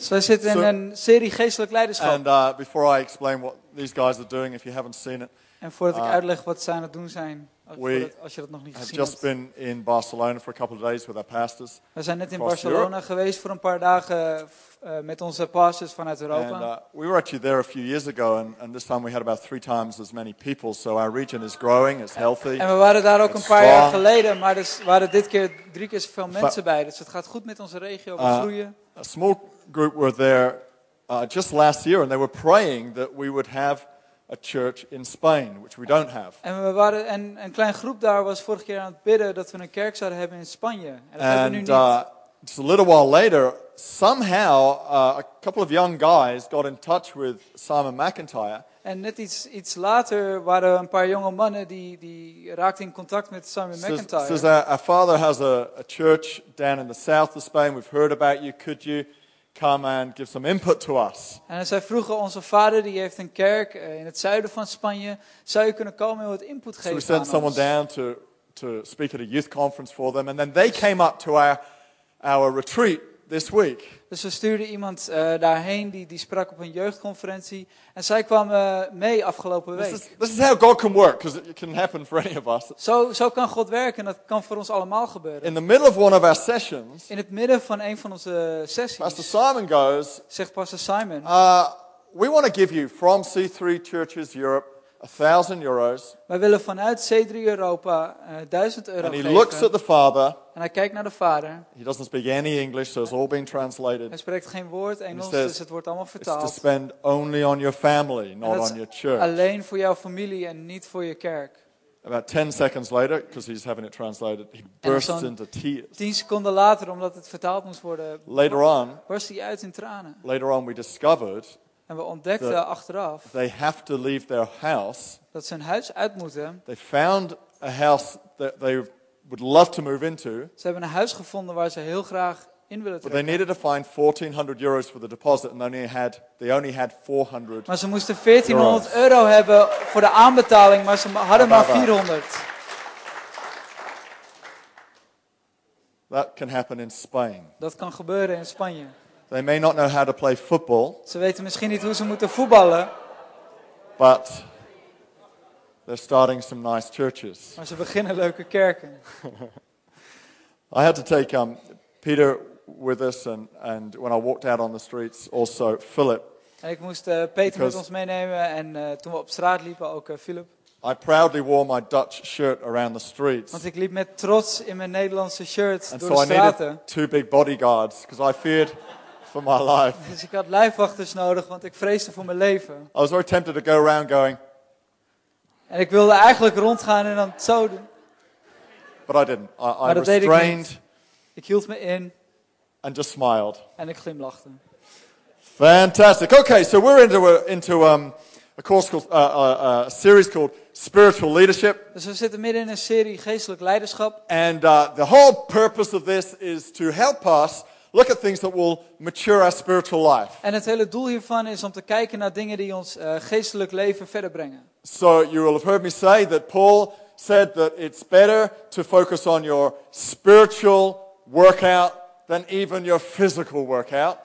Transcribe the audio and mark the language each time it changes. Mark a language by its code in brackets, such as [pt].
[nl] So we zitten in een serie geestelijk leiderschap. [en] And before I explain what these guys are doing, if you haven't seen it. [nl] En voordat ik uitleg wat zij aan het doen zijn, als je dat nog niet gezien hebt. [en] We have just been in Barcelona for a couple of days with our pastors. [nl] We zijn net in Barcelona geweest voor een paar dagen met onze pastors vanuit Europa. [en] And we were actually there a few years ago, and this time we had about three times as many people, so our region is growing, it's healthy. [nl] En we waren daar ook een paar jaar geleden, maar dus waren dit keer drie keer zoveel mensen bij. Dus het gaat goed met onze regio, we groeien. [en] A small group were there just last year, and they were praying that we would have a church in Spain, which we don't have. [nl] En we waren en een klein groep daar was vorige keer aan het bidden dat we een kerk zouden hebben in Spanje. En dat hebben we nu niet. [en] Just a little while later, somehow a couple of young guys got in touch with Simon McIntyre. [nl] En net iets later waren een paar jonge mannen die raakten in contact met Simon McIntyre. [en] Says our father has a church down in the south of Spain. We've heard about you. Could you come and give some input to us? [nl] En zij vroegen onze vader die heeft een kerk in het zuiden van Spanje. Zou je kunnen komen en wat input geven aan ons? [en] So we sent someone down to speak at a youth conference for them, and then they came up to our retreat this week. [nl] Dus we stuurden iemand daarheen die sprak op een jeugdconferentie en zij kwam mee afgelopen week. [en] This is how God can work, because it can happen for any of us. [nl] Zo kan God werken en dat kan voor ons allemaal gebeuren. [en] In the middle of one of our sessions. [nl] In het midden van een van onze sessies. [en] Pastor Simon goes. [nl] Zegt Pastor Simon. [en] We want to give you from C3 Churches Europe €1,000. [nl] Wij willen vanuit C3 Europa 1000 euro. [en] And he [nl] geven. [en] Looks at the father. [nl] En hij kijkt naar de vader. [en] He doesn't speak any English, so it's all being translated. [nl] Hij spreekt geen woord Engels, says, dus het wordt allemaal vertaald. [en] It's to spend only on your family, not on your church. [nl] Alleen voor jouw familie en niet voor je kerk. [en] About 10 seconds later, because he's having it translated, he bursts into tears. [nl] 10 seconden later, omdat het vertaald moest worden, burst hij uit in tranen. [en] Later on, we discovered. [nl] En we ontdekten achteraf. [en] They have to leave their house. [nl] Dat ze hun huis uit moeten. [en] They found a house that they would love to move into. [nl] Ze hebben een huis gevonden waar ze heel graag in willen trekken. [en] But they needed to find €1,400 for the deposit, and they only had 400. [nl] Maar ze moesten 1400 euro hebben voor de aanbetaling, maar ze hadden maar 400. [en] That can happen in Spain. [nl] Dat kan gebeuren in Spanje. [en] They may not know how to play football. [nl] Ze weten misschien niet hoe ze moeten voetballen. [en] But they're starting some nice churches. [nl] Maar ze beginnen leuke kerken. [en] I had to take Peter with us, and when I walked out on the streets, also Philip. [nl] En ik moest Peter met ons meenemen, en toen we op straat liepen, ook Philip. [en] I proudly wore my Dutch shirt around the streets. [nl] Want ik liep met trots in mijn Nederlandse shirt [en] and [nl] door [en] so [nl] de straten. [en] I needed two big bodyguards, because I feared for my life. [nl] Dus ik had lijfwachters nodig, want ik vreesde voor mijn leven. [en] I was very tempted to go around going. [nl] En ik wilde eigenlijk rondgaan en dan zo doen. [en] But I didn't. I restrained. [nl] Ik hield me in. [en] And just smiled. [nl] En ik glimlachte. [en] Fantastic. Okay, so we're into a series called Spiritual Leadership. [nl] Dus we zitten midden in een serie geestelijk leiderschap. [en] And the whole purpose of this is to help us look at things that will mature our spiritual life. [nl] En het hele doel hiervan is om te kijken naar dingen die ons geestelijk leven verder brengen. [en] So you will have heard me say that Paul said that it's better to focus on your spiritual workout than even your physical workout.